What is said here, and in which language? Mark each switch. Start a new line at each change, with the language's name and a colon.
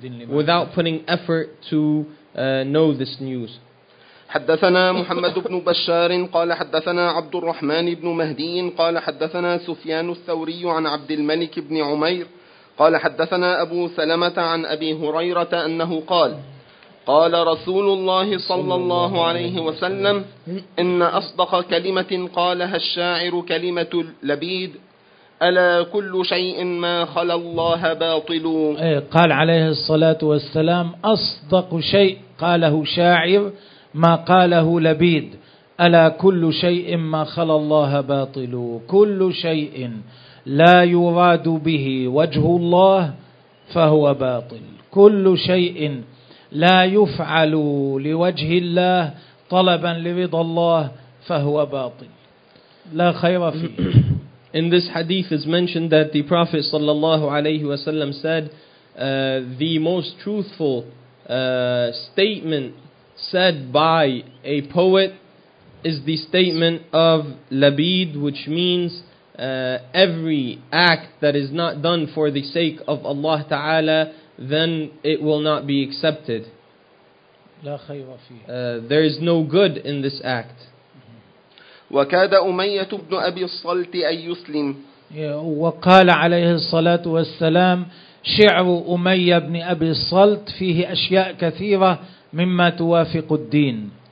English: Without putting effort to know this news.
Arabic: حدثنا محمد بن بشار قال حدثنا عبد الرحمن بن مهدي قال حدثنا سفيان الثوري عن عبد الملك بن عمير قال حدثنا أبو سلمة عن أبي هريرة أنه قال قال رسول الله صلى الله عليه وسلم إن أصدق كلمة قالها الشاعر كلمة لبيد ألا كل شيء ما خلا الله باطل. قال عليه الصلاة والسلام أصدق شيء قاله شاعر ما قاله لبيد ألا كل شيء ما خلا الله باطل. كل شيء لا يراد به وجه الله فهو باطل. كل شيء لا يفعل لوجه الله طلبا لرضا الله فهو باطل لا خير فيه.
English: In this hadith is mentioned that the Prophet sallallahu alayhi wa sallam said the most truthful statement said by a poet is the statement of labid, which means every act that is not done for the sake of Allah Ta'ala, then it will not be accepted. There is no good in this act.
Arabic: وكاد أمية بن أبي الصلت أن يسلم. وقال عليه الصلاة والسلام شعر أمية بن أبي الصلت فيه أشياء كثيرة مما توافق الدين.